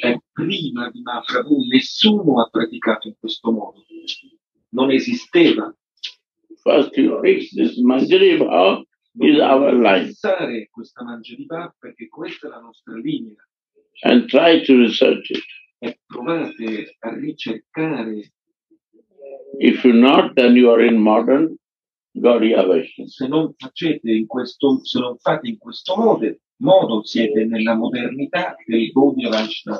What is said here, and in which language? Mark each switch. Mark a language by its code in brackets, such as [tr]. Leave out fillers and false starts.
[it] E prima di Mahaprabhu, nessuno ha praticato in questo modo. Non esisteva. [en] First you fix this Manjari Bhav is our line. [it] Fissare questa Manjari Bhav perché questa è la nostra linea. [en] And try to research it. [it] E provate a ricercare. [en] If you not, then you are in modern Gaudiya Vaishnava. [it] Se non facete in questo, se non fate in questo modo, modo siete nella modernità del Gaudiya Vaishnava.